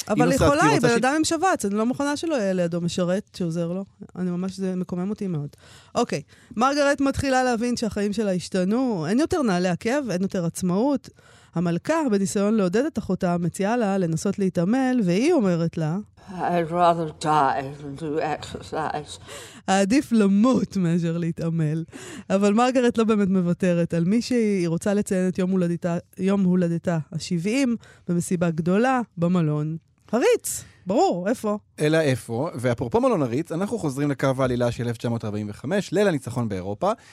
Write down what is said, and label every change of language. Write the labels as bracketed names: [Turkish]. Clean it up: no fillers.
[Hebrew] אבל יכולה, היא בן אדם עם שבץ, אני לא מוכנה שלא יהיה לידו משרת שעוזר לו. אני ממש, זה מקומם אותי מאוד. אוקיי, מרגרט מתחילה להבין שהחיים שלה השתנו, אין יותר נעלי עקב, אין יותר עצמאות. המלכה, בניסיון לעודד את אחותה, מציעה לה לנסות להתעמל, והיא אומרת לה, [English] I'd rather die than do exercise. [Hebrew] העדיף למות מאשר להתעמל. אבל מרגרט לא באמת מוותרת על מי שהיא רוצה לציין את יום הולדתה ה-70, במסיבה גדולה, במלון. הריץ! ברור, איפה? אלא איפה, ואפרופו מלון הריץ, אנחנו חוזרים לקו העלילה של 1945, ליל הניצחון באירופה.